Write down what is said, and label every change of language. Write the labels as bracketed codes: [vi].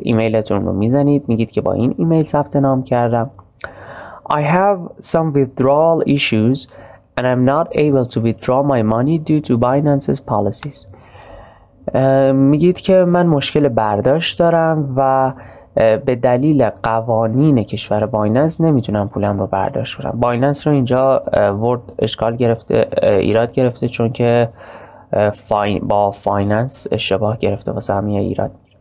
[fa] ایمیلتون رو میزنید، میگید که با این ایمیل ثبت نام کردم. [en] I have some withdrawal issues and I'm not able to withdraw my money due to Binance's policies. [fa] میگید که من مشکل برداشت دارم و به دلیل قوانین کشور بایننس نمیتونم پولم رو برداشت کنم. بایننس رو اینجا ورد اشکال گرفته، ایراد گرفته، چون که با فایننس اشتباه گرفته واسه همین ایراد.